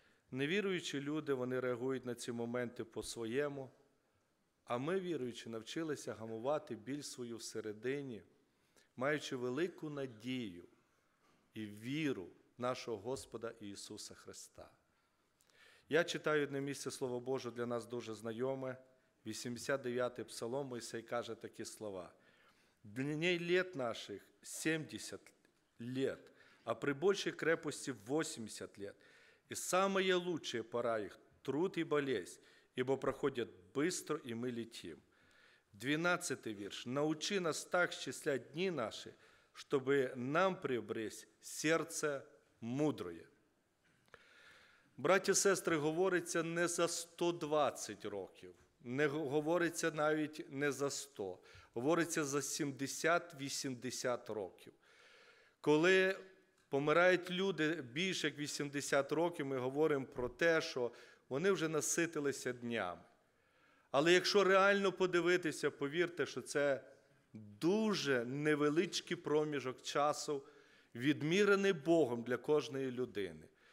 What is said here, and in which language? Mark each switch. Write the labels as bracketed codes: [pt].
[uk] Невіруючі люди, вони реагують на ці моменти по-своєму, а ми, віруючи, навчилися гамувати біль свою всередині, маючи велику надію і віру нашого Господа Ісуса Христа. Я читаю одне місце Слово Боже, для нас дуже знайоме, 89-й Псалом, Мойсей каже такі слова. «Дні літ наших 70 літ, а при більшій крепості 80 літ». [ru] І самая лучшая пора их – труд и болезнь, ибо проходят быстро, и мы летим. 12 вірш. Научи нас так счислять дни наши, чтобы нам приобрести сердце мудрое. Братья и сестры, говорится не за 120 років, не говорится навіть не за 100, говорится за 70-80 років. [uk] Коли помирають люди більше, як 80 років, ми говоримо про те, що вони вже наситилися днями. Але якщо реально подивитися, повірте, що це дуже невеличкий проміжок часу, відмірений Богом для кожної людини.